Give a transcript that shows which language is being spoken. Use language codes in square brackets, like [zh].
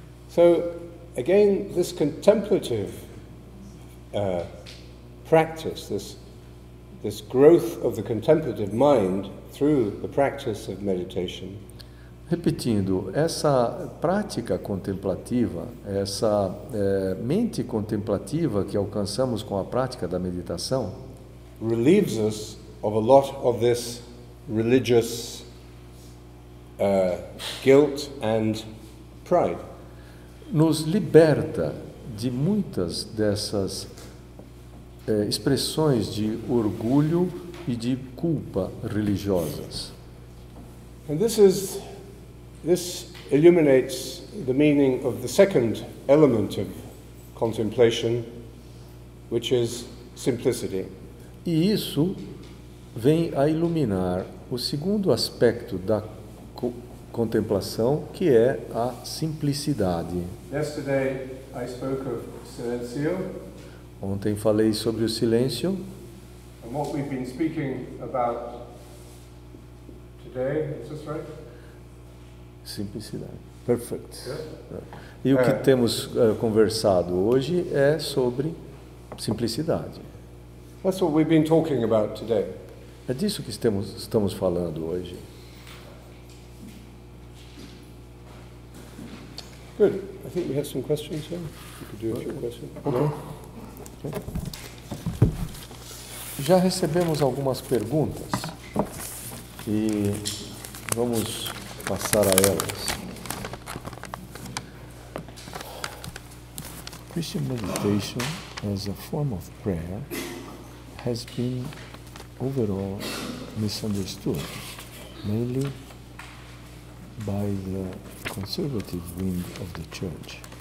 [en] So, again, this contemplative practice, this growth of the contemplative mind through the practice of meditation. [pt] Repetindo, essa prática contemplativa, essa mente contemplativa que alcançamos com a prática da meditação, [en] relieves us of a lot of this religious guilt and pride. [pt] Nos liberta de muitas dessas expressões de orgulho e de culpa religiosas. [en] And this illuminates the meaning of the second element of contemplation, which is simplicity. [pt] E isso vem a iluminar o segundo aspecto da contemplação, que é a simplicidade. [en] Yesterday I spoke of silencio. [pt] Ontem falei sobre o silêncio. [en] And what we've been speaking about today, is this right? [pt] Simplicidade. [en] Perfect. Yeah. [pt] E o que temos conversado hoje é sobre simplicidade. [en] That's what we've been talking about today. [pt] É disso que estamos falando hoje. [en] Good. I think we have some questions here. You could do a few questions. Okay. [pt] Já recebemos algumas perguntas e vamos passar a elas. [en] Christian meditation as a form of prayer has been overall misunderstood, mainly by the conservative wing of the church.